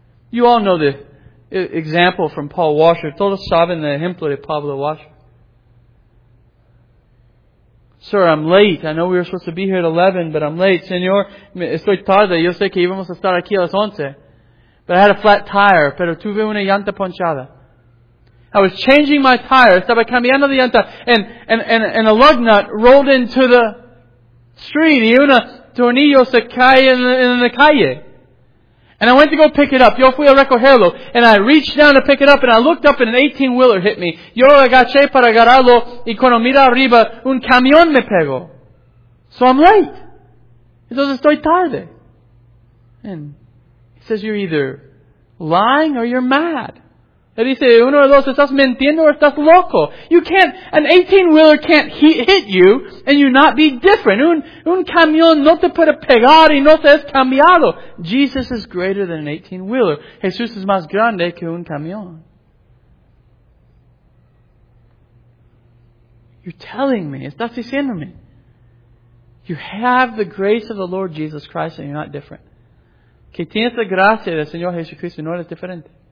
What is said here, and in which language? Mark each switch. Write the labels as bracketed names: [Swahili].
[English] You all know the example from Paul Washer. [Spanish] Todos saben el ejemplo de Pablo Washer. [English] Sir, I'm late. I know we were supposed to be here at 11, but I'm late. [Spanish] Señor, estoy tarde. Yo sé que íbamos a estar aquí a las 11. [English] But I had a flat tire, [Spanish] pero tuve una llanta ponchada. [English] I was changing my tire. [Spanish] Estaba cambiando la llanta. [English] And a lug nut rolled into the street. [Spanish] Y una tornillo se cae en la calle. [English] And I went to go pick it up. [Spanish] Yo fui a recogerlo. [English] And I reached down to pick it up and I looked up and an 18-wheeler hit me. [Spanish] Yo agaché para agarrarlo y cuando mira arriba, un camión me pegó. [English] So I'm late. [Spanish] Entonces estoy tarde. [English] And he says, you're either lying or you're mad. [Spanish] Él dice, uno de dos, estás mintiendo o estás loco. [English] You can't, an 18-wheeler can't hit you and you not be different. [Spanish] Un camión no te puede pegar y no te has cambiado. [English] Jesus is greater than an 18-wheeler. [Spanish] Jesús es más grande que un camión. [English] You're telling me, [Spanish] estás diciéndome. [English] You have the grace of the Lord Jesus Christ and you're not different. [Spanish] Que tienes la gracia del Señor Jesucristo y no eres diferente.